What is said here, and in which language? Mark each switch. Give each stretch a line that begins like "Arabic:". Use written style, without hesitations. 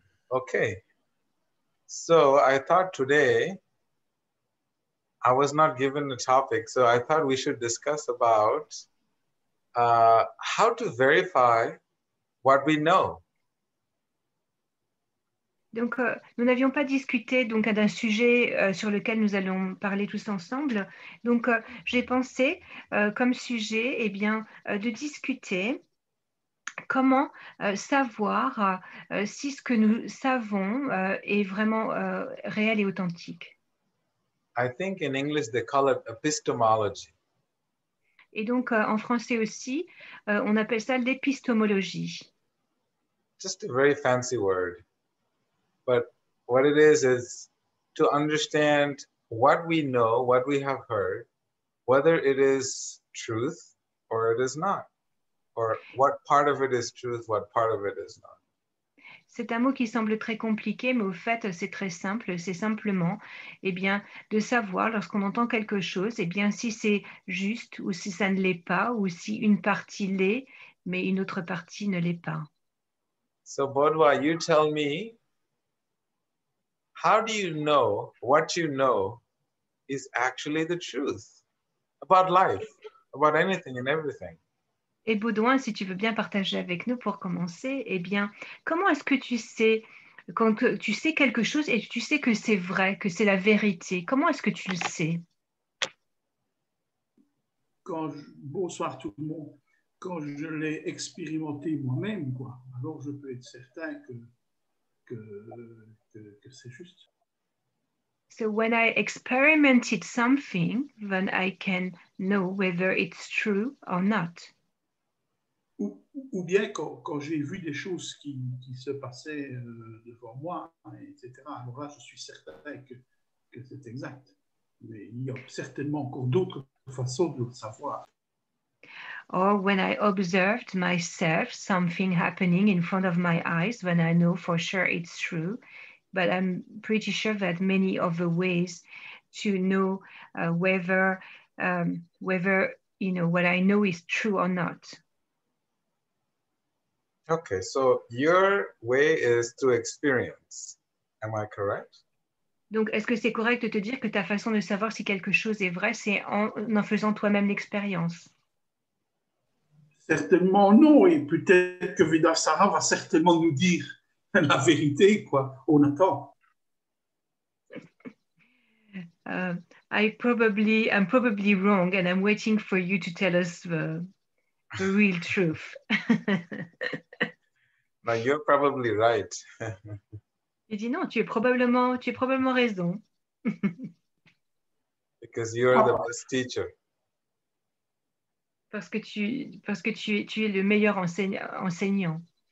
English: Okay, so I thought today, I was not given a topic, so I thought we should discuss about how to verify what we know.
French: Donc, nous n'avions pas discuté donc d'un sujet sur lequel nous allons parler tous ensemble. Donc, j'ai pensé comme sujet, eh bien, de discuter comment savoir si ce que nous savons est vraiment réel et authentique.
English: I think in English they call it epistemology.
French: Et donc, en français aussi, on appelle ça l'épistémologie.
English: Just a very fancy word. But what it is to understand what we know, what we have heard, whether it is truth or it is not, or what part of it is truth, what part of it is not.
French: C'est un mot qui semble très compliqué, mais au fait, c'est très simple. C'est simplement, eh bien, de savoir lorsqu'on entend quelque chose, eh bien, si c'est juste ou si ça ne l'est pas, ou si une partie l'est, mais une autre partie ne l'est pas.
English: So, Baudouin, you tell me. How do you know what you know is actually the truth about life, about anything and everything?
French: Et Baudouin, si tu veux bien partager avec nous pour commencer, eh bien, comment est-ce que tu sais, quand tu sais quelque chose et tu sais que c'est vrai, que c'est la vérité, comment est-ce que tu le sais? Bonsoir tout le monde. Quand je l'ai expérimenté moi-même, quoi, alors je peux être certain que c'est juste. So when I experimented something, then I can know whether it's true or not. Ou bien quand j'ai vu des choses qui se passaient devant moi, etc. Alors là, je suis certain que c'est exact. Mais il y a certainement encore d'autres façons de le savoir.
English: Or when I observed myself something happening in front of my eyes, when I know for sure it's true, but I'm pretty sure that many other ways to know whether you know what I know is true or not. Okay, so your way is to experience. Am I correct?
French: Donc, est-ce que c'est correct de te dire que ta façon de savoir si quelque chose est vrai, c'est en faisant toi-même l'expérience? Certainement non, et peut-être que Vidasara va certainement nous dire la vérité, quoi. On attend.
English: I'm probably wrong, and I'm waiting for you to tell us the real truth. But you're probably right.
French: Il dit non, tu es probablement raison.
English: Because you're the best teacher.
French: Parce que tu es le meilleur enseignant.